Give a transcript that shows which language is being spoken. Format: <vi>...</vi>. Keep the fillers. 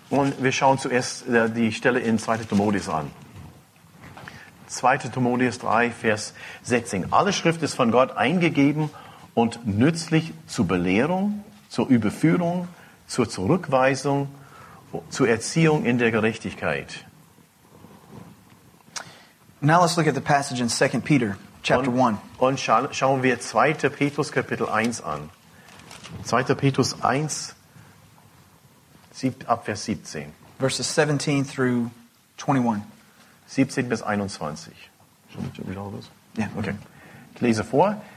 <de>Und wir schauen zuerst die Stelle in 2. Timotheus an. 2. Timotheus 3, Vers 16. Alle Schrift ist von Gott eingegeben und nützlich zur Belehrung, zur Überführung, zur Zurückweisung, zur Erziehung in der Gerechtigkeit.</de> <en>Now let's look at the passage in 2 Peter chapter 1.</en> <de>Und, und scha schauen wir 2. Petrus Kapitel 1 an. 2. Petrus 1 7, ab Vers 17.</de> <en>Verses 17 through 21.</en> <de>17 bis 21. Ja, yeah. okay. Ich lese vor.</de>